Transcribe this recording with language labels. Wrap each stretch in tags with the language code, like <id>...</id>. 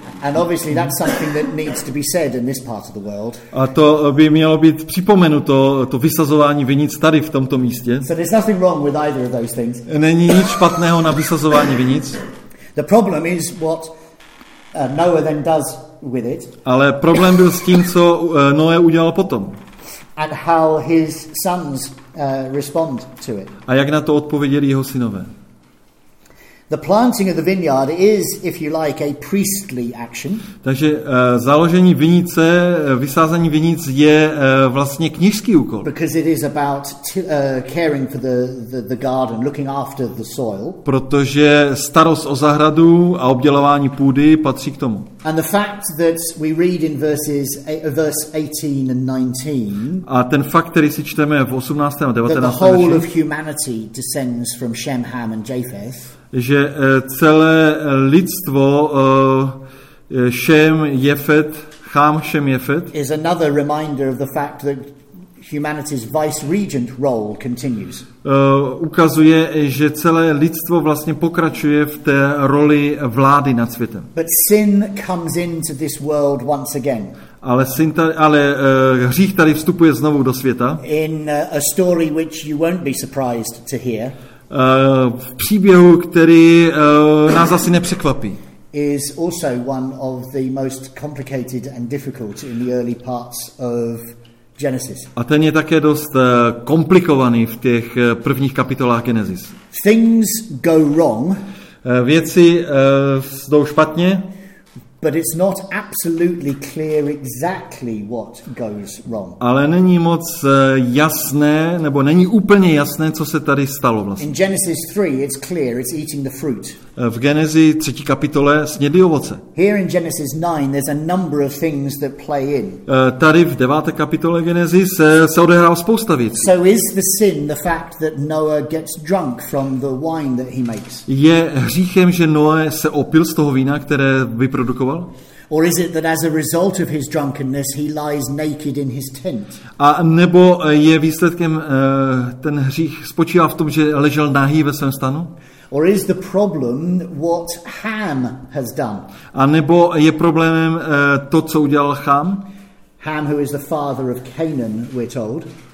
<en>And obviously that's something that needs to be said in this part of the world.</en> <cs>A to by mělo být připomenuto to vysazování vinic tady v tomto místě.</cs> <en>So there's nothing wrong with either of those things.</en> <cs>Není nic špatného na vysazování vinic.</cs> <en>The problem is what Noah then does with it.</en> <cs>Ale problém byl s tím, co Noé udělal potom.</cs> <en>And how his sons respond to it.</en> <cs>A jak na to odpověděli jeho synové?</cs> <en>The planting of the vineyard is, if you like, a priestly action.</en> <cs>Takže založení vinice, vysázení vinic je vlastně kněžský úkol.</cs> <en>Because it is about caring for the garden, looking after the soil.</en> <cs>Protože starost o zahradu a obdělování půdy patří k tomu.</cs> <en>And the fact that we read in verse 18 and 19.</en> <cs>A ten fakt, který si čteme v 18. a 19.</cs> <en>That the whole of humanity descends from Shem, Ham and Japheth.</en> <cs>Že celé lidstvo Šem, Jefet, Chám, Šem, Jefet</cs> <en>is another reminder of the fact that humanity's vice regent role continues.</en> <cs>Ukazuje, že celé lidstvo vlastně pokračuje v té roli vlády nad světem.</cs> <en>But sin comes into this world once again.</en> <cs>Ale hřích tady vstupuje znovu do světa.</cs> <en>In a story which you won't be surprised to hear.</en> <cs>V příběhu, který nás asi nepřekvapí.</cs> <en>Is also one of the most complicated and difficult in the early parts of Genesis.</en> <cs>A ten je také dost komplikovaný v těch prvních kapitolách Genesis.</cs> <en>Things go wrong.</en> <cs>Věci jdou špatně.</cs> <en>But it's not absolutely clear exactly what goes wrong.</en> <cs>Ale není moc jasné, nebo není úplně jasné, co se tady stalo vlastně.</cs> <en>In Genesis 3 it's clear, it's eating the fruit.</en> <cs>V Genesis 3. kapitole snědli ovoce.</cs> <en>Here in Genesis 9 there's a number of things that play in.</en> <cs>Tady v 9. kapitole Genesis se odehrál spousta věcí.</cs> <en>So is the sin the fact that Noah gets drunk from the wine that he makes?</en> <cs>Je hříchem, že Noé se opil z toho vína, které vyprodukoval?</cs> <en>Or is it that as a result of his drunkenness he lies naked in his tent?</en> <cs>A nebo je výsledkem ten hřích spočívá v tom, že ležel nahý ve svém stanu?</cs> <en>Or is the problem what Ham has done?</en> <cs>A nebo je problémem to, co udělal Ham?</cs> <en>Ham, who is the father of Canaan, we're told.</en>